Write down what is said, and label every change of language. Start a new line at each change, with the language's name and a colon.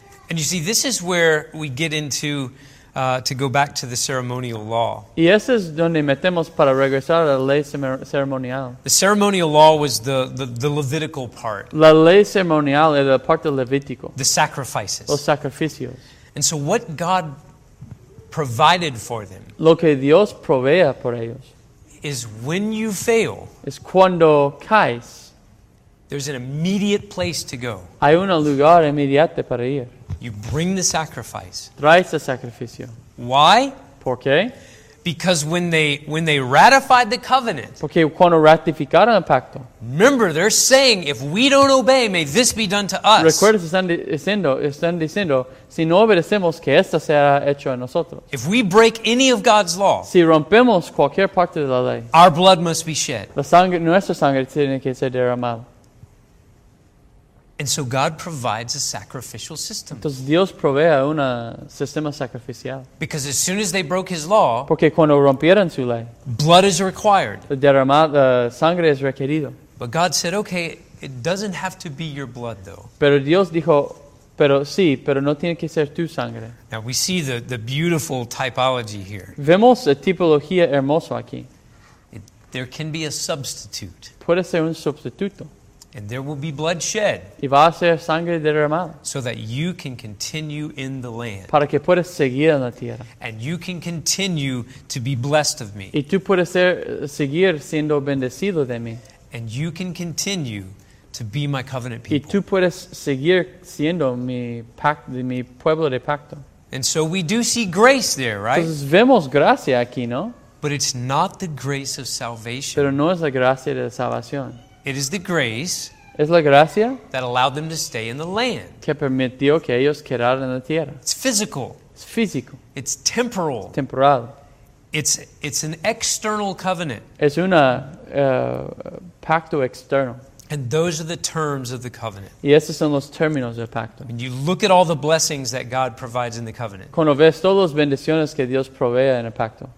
English: And you see, this is where we get into to go back to the ceremonial law.
Spanish: Y ese es donde metemos para regresar a la ley ceremonial.
English: The ceremonial law was the Levitical part.
Spanish: La ley ceremonial era la parte levítico.
English: The sacrifices.
Spanish: Los sacrificios.
English: And so what God provided for them.
Spanish: Lo que Dios provee por ellos.
English: Is when you fail.
Spanish: Es cuando caes.
English: There's an immediate place to go.
Spanish: Hay un lugar inmediato para ir.
English: You bring the sacrifice.
Spanish: Traes el sacrificio.
English: Why?
Spanish: ¿Por qué?
English: Because when they ratified the covenant.
Spanish: Porque cuando ratificaron el pacto.
English: Remember, they're saying, if we don't obey, may this be done to us.
Spanish: Recuerda, están diciendo, si no obedecemos, que esto sea hecho a nosotros.
English: If we break any of God's law.
Spanish: Si rompemos cualquier parte de la ley.
English: Our blood must be shed.
Spanish: Nuestra sangre tiene que ser derramada.
English: And so God provides a sacrificial system.
Spanish: Entonces Dios provee un sistema sacrificial.
English: Because as soon as they broke his law,
Spanish: porque cuando rompieron su ley,
English: blood is required.
Spanish: Derramada sangre es requerido.
English: But God said, okay, it doesn't have to be your blood though.
Spanish: Pero Dios dijo, pero sí, pero no tiene que ser tu sangre.
English: Now we see the beautiful typology here.
Spanish: Vemos la tipología hermosa aquí.
English: There can be a substitute.
Spanish: Puede ser un sustituto.
English: And there will be blood shed.
Spanish: Y va a ser sangre derramada.
English: So that you can continue in the land.
Spanish: Para que puedas seguir en la tierra.
English: And you can continue to be blessed of me.
Spanish: Y tú puedes seguir siendo bendecido de mí.
English: And you can continue to be my covenant people.
Spanish: Y tú puedes seguir siendo mi pueblo de pacto.
English: And so we do see grace there, right?
Spanish: Entonces vemos gracia aquí, ¿no?
English: But it's not the grace of salvation.
Spanish: Pero no es la gracia de la salvación.
English: It is the grace
Spanish: es la gracia
English: that allowed them to stay in the land.
Spanish: Que permitió que ellos quedaran en la tierra.
English: It's physical.
Spanish: Es físico.
English: It's temporal.
Spanish: Es temporal.
English: It's an external covenant.
Spanish: Es una pacto externo.
English: And those are the terms of the covenant.
Spanish: Y esos son los términos del pacto.
English: And you look at all the blessings that God provides in the covenant.
Spanish: Cuando ves todas las bendiciones que Dios provee en el pacto.